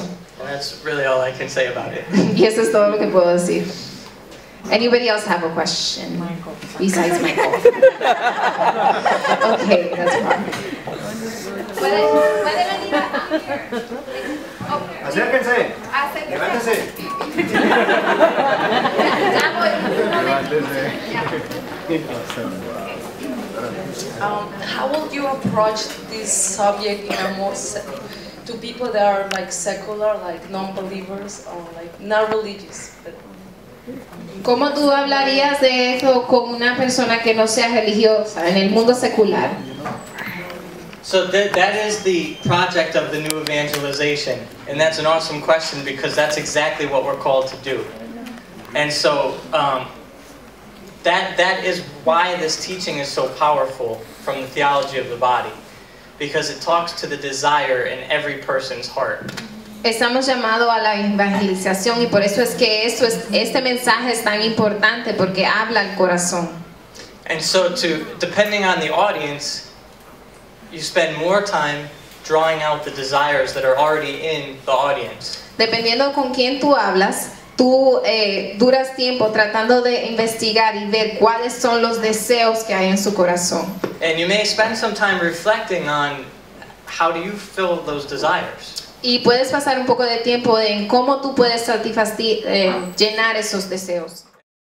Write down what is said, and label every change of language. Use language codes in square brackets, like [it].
[en] Well, that's really all I can say about it. [es] Y eso es todo lo que puedo decir. [en] Anybody else have a question? Michael. Besides Michael. Okay, that's fine. [es] ¿Puede venir a [en] How would you approach this subject in a more to people that are like secular, like non-believers or like not religious? [es] ¿Cómo tú hablarías de eso con una persona que no sea religiosa en el mundo secular? [en] So that is the project of the new evangelization, and that's an awesome question because that's exactly what we're called to do. And so that is why this teaching is so powerful from the theology of the body, because it talks to the desire in every person's heart. [es] Estamos llamados a la evangelización, y por eso es que este mensaje es tan importante porque habla al corazón. [en] And so depending on the audience, you spend more time drawing out the desires that are already in the audience. [es] Dependiendo con quién tú hablas, tú duras tiempo tratando de investigar y ver cuáles son los deseos que hay en su corazón. [en] And you may spend some time reflecting on how do you fill those desires. [es] Y puedes pasar un poco de tiempo en cómo tú puedes satisfacer llenar esos deseos.